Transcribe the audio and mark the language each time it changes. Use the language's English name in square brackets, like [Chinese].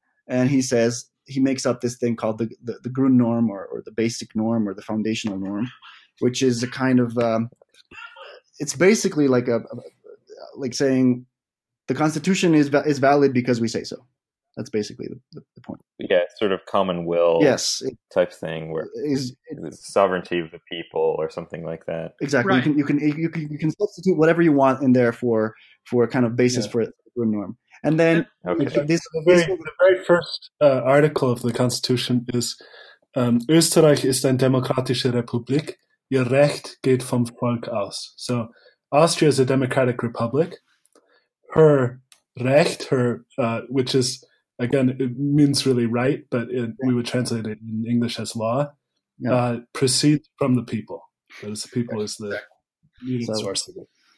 [English] And he says, he makes up this thing called the Grundnorm or the basic norm or the foundational norm, which is a kind of, it's basically like like saying the constitution is valid because we say so. That's basically the point. yeah, sort of common will, yes, type thing where it's sovereignty of the people or something like that. Exactly. Right. You can substitute whatever you want in there for a kind of basis, yeah, for it, for a norm. And then the very first article of the Constitution is [German] Österreich ist eine demokratische Republik. Ihr Recht geht vom Volk aus. [English] So Austria is a democratic republic. Her Recht, which is, again, it means really right, but we would translate it in English as law, proceeds from the people. Because the people is the leading source of it.